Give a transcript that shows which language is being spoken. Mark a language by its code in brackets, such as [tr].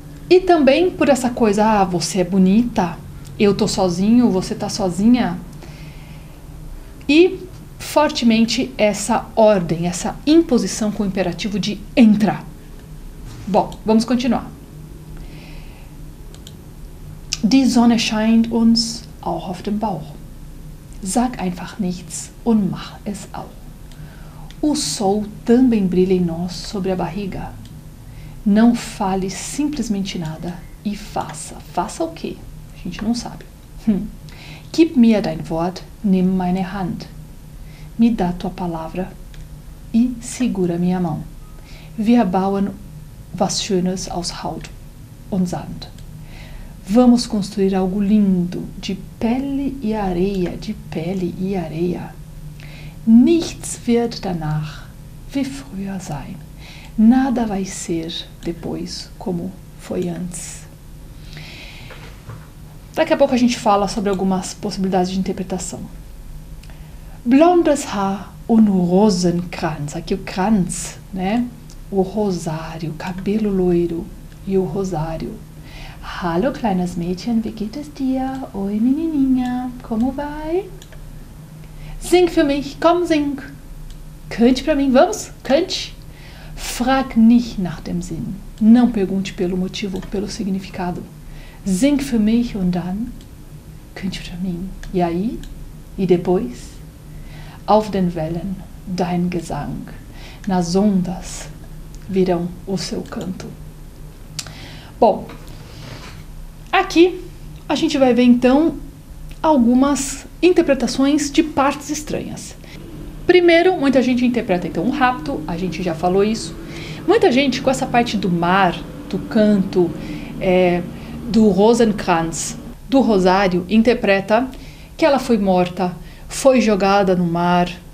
[pt] E também por essa coisa, ah, você é bonita. Eu tô sozinho, você tá sozinha. E fortemente essa ordem, essa imposição com o imperativo de entrar. Bom, vamos continuar. [de] Die Sonne scheint uns auch auf dem Bauch. Sag einfach nichts und mach es auch. [pt] O sol também brilha em nós sobre a barriga. Não fale simplesmente nada e faça. Faça o quê? A gente não sabe. [de] Gib mir dein Wort, nimm meine Hand. [pt] Me dá tua palavra e segura minha mão. [de] Wir bauen was Schönes aus Haut und Sand. [pt] Vamos construir algo lindo de pele e areia, de pele e areia. [de] Nichts wird danach wie früher sein. [pt] Nada vai ser depois como foi antes. Daqui a pouco a gente fala sobre algumas possibilidades de interpretação. [de] Blondes Haar und Rosenkranz. [pt] Aqui o Kranz, né? O rosário, cabelo loiro e o rosário. [de] Hallo, kleines Mädchen, wie geht es dir? [pt] Oi, menininha, como vai? [de] Sing für mich, komm, sing. [pt] Cante pra mim, vamos, cante. [de] Frag nicht nach dem Sinn. [pt] Não pergunte pelo motivo, pelo significado. [de] Sing für mich und dann. [pt] Cante pra mim. E aí? E depois? [de] Auf den Wellen, dein Gesang. [pt] Nas ondas virão o seu canto. Bom, aqui a gente vai ver então algumas interpretações de partes estranhas. Primeiro, muita gente interpreta então um rapto, a gente já falou isso. Muita gente com essa parte do mar, do canto, do Rosenkranz, do rosário, interpreta que ela foi morta, foi jogada no mar.